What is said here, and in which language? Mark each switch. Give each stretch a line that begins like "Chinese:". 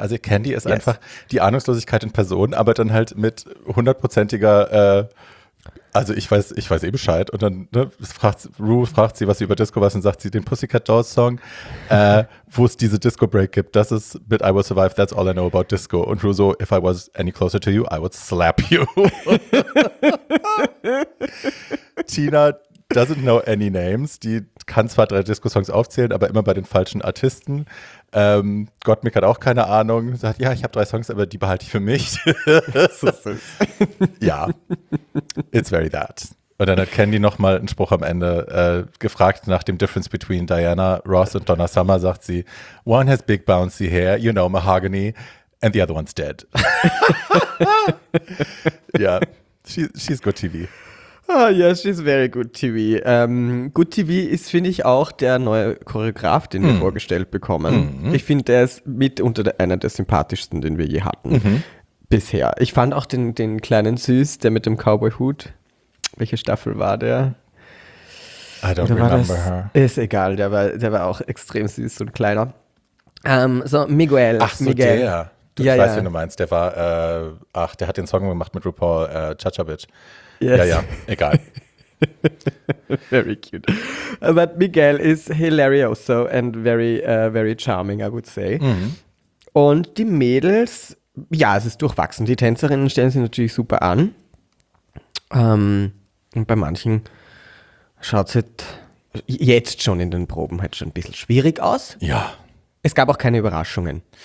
German: Also Candy ist einfach die Ahnungslosigkeit in Person, aber dann halt mit hundertprozentiger, also ich weiß eh Bescheid. Und dann fragt sie, was sie über Disco weiß, und sagt sie den Pussycat Dolls Song, wo es diese Disco Break gibt. Das ist mit
English: I Will Survive, That's All I Know About Disco.
German: Und Ru so,
English: if I was any closer to you, I would slap you. Tina doesn't know any names.
German: Die kann zwar drei Disco-Songs aufzählen, aber immer bei den falschen Artisten. Gottmik hat auch keine Ahnung. Sagt, ja, ich habe drei Songs, aber die behalte ich für mich. Ja,
English: it's very that.
German: Und dann hat Candy nochmal einen Spruch am Ende gefragt nach dem Difference between Diana Ross und Donna Summer. Sagt sie,
English: one has big bouncy hair, you know, mahogany, and the other one's dead. Ja, she's good TV. Ah, oh, yes, she's very good TV.
German: Good TV ist, finde ich, auch der neue Choreograf, den wir vorgestellt bekommen. Mm-hmm. Ich finde, der ist mitunter einer der sympathischsten, den wir je hatten bisher. Ich fand auch den kleinen Süß, der mit dem Cowboy-Hut. Welche Staffel war der?
English: I don't remember her.
German: Ist egal, der war auch extrem süß und kleiner. So, Miguel. Ach so, Miguel. Der. Ich weiß, wen du meinst. Der war, der hat den Song gemacht mit RuPaul, Cha-Cha Bitch. Yes. Ja, egal.
English: Very cute. But Miguel is hilarioso and very, very charming, I would say. Mm-hmm.
German: Und die Mädels, ja, es ist durchwachsen. Die Tänzerinnen stellen sich natürlich super an. Und bei manchen schaut es jetzt schon in den Proben halt schon ein bisschen schwierig aus. Ja. Es gab auch keine Überraschungen.